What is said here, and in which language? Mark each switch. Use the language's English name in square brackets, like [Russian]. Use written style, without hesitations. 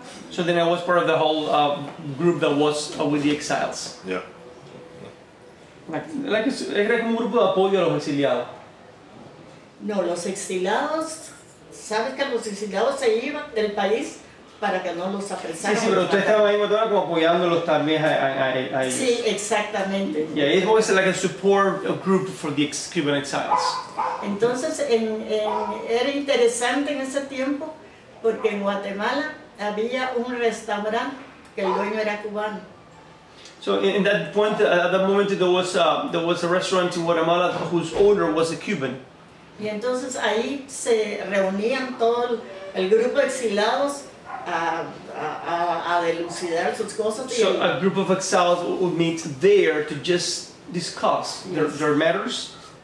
[English] so then I was part of the whole group that was with the exiles. Yeah. [Spanish] Like un grupo de apoyo a los exiliados. No, los exiliados, sabes que los exiliados se iban del país para que no los apresaran. Sí, pero usted estaba ahí todo como apoyándolos también a ellos. Sí, exactamente. [English] Yeah, it was like a support group for the Cuban exiles. [Spanish] Entonces, era interesante en ese tiempo porque en Guatemala había un restaurante que el dueño era cubano. [English] So, in that point, at that moment, there was a restaurant in Guatemala whose owner was a Cuban. [Spanish] Y entonces ahí se reunían todo el grupo de exilados a delucidar sus cosas. [English] So, a group of exiles would meet there to just discuss their matters.